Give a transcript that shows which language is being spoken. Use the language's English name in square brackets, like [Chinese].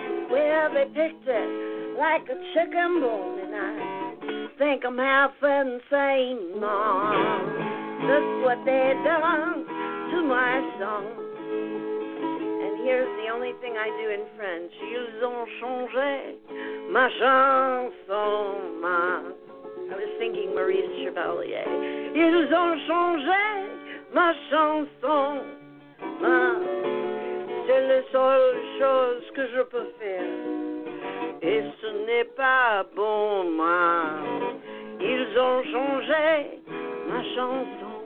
[English] Well, they picked it like a chicken bone, and I think I'm half insane, Mom. Look what they done to my song. And here's the only thing I do in French. [French] Ils ont changé ma chanson, Mom. [English] I was thinking Maurice Chevalier. [French] Ils ont changé ma chanson, ma. C'est la seule chose que je peux faire. Et ce n'est pas bon, ma. Ils ont changé ma chanson.